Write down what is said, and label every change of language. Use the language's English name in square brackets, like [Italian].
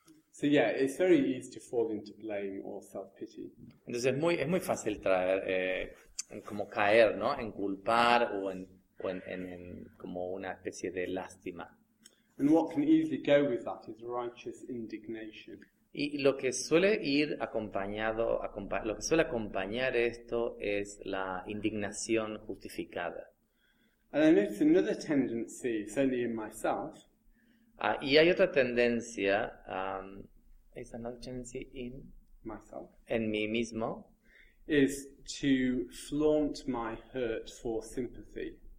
[English] So yeah, it's very easy to fall into blame or self-pity. [Spanish] Entonces es muy fácil traer como caer, ¿no? En culpar o en como una especie de lástima. [English] And what can easily go with that is righteous indignation. [Spanish] Y lo que suele ir acompañado, lo que suele acompañar esto es la indignación justificada. [English] And I noticed another tendency, certainly in myself. [Spanish] Y hay otra tendencia, [English] is another tendency in myself. [Spanish] En mí mismo. [English] Is to flaunt my hurt for sympathy.